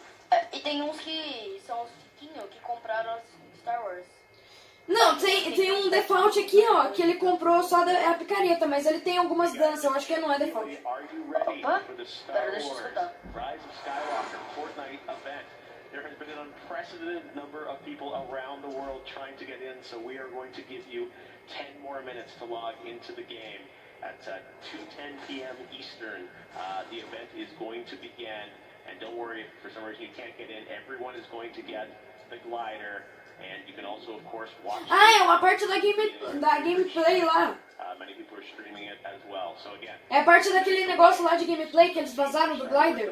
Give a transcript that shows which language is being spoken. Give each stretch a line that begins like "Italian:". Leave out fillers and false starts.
Portuguese: É, e tem uns que são os... que compraram as Star Wars. Não, tem um default aqui, ó, que ele comprou só a picareta, mas ele tem algumas danças, eu acho que não é default. Opa, pera, deixa eu escutar. Rise of Skywalker Fortnite event.
English: There has been an unprecedented number of people around the world trying to get in, so we are going to give you 10 more minutes to log into the game at 2:10 p.m. Eastern. The event is going to begin. And don't worry, if for some reason you can't get in, everyone is going to get the glider. And you can also, of course, watch...
Portuguese: Ah, é uma parte da gameplay lá.
English: Many people are streaming it as well, so again...
Portuguese: É parte daquele negócio lá de gameplay que eles vazaram do glider.